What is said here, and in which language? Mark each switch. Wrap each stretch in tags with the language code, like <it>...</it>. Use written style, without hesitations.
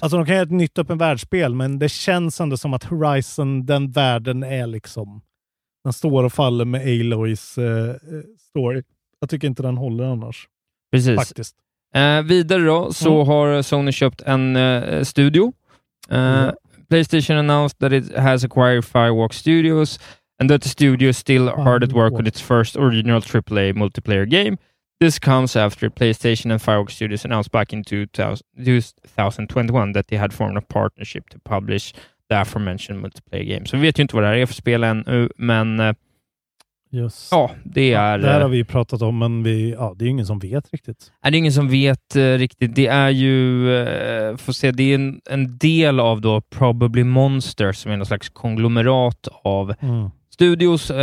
<sv>Alltså, de kan göra ett nytt öppen världsspel, men det känns ändå som att Horizon, den världen är liksom, den står och faller med Aloys story. Jag tycker inte den håller annars. Precis. Faktiskt. Vidare då, så har Sony köpt en studio.</sv> <en>PlayStation announced that it has acquired Firewalk Studios and that the studio is still hard at work on its first original AAA multiplayer game. This comes after PlayStation and Firewalk Studios announced back in 2021 that they had formed a partnership to publish the aforementioned multiplayer game.</en> <sv>Så vi vet ju inte vad det här är för spel än, men just. Ja, det är, det här har vi pratat om, men vi, ja, det är ingen som vet riktigt. Är det ingen som vet riktigt? Det är ju, får se, det är en del av då Probably Monster, som är någon slags konglomerat av studios.</sv>